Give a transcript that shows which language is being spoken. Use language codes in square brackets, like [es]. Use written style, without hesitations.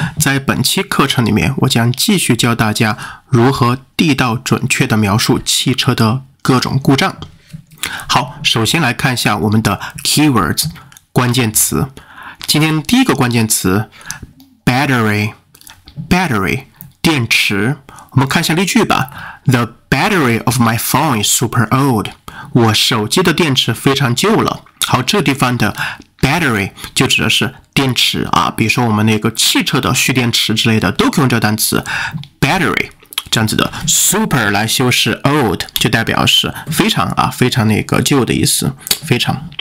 [zh] 在本期课程里面，我将继续教大家如何地道准确地描述汽车的各种故障。好，首先来看一下我们的 keywords 关键词。今天第一个关键词 battery 电池。我们看一下例句吧。 [en] The battery of my phone is super old. [zh] 我手机的电池非常旧了。好，这地方的 battery 就指的是电池啊，比如说我们那个汽车的蓄电池之类的，都可以用这个单词 battery 这样子的。 super 来修饰 old 就代表是非常啊，非常那个旧的意思，非常。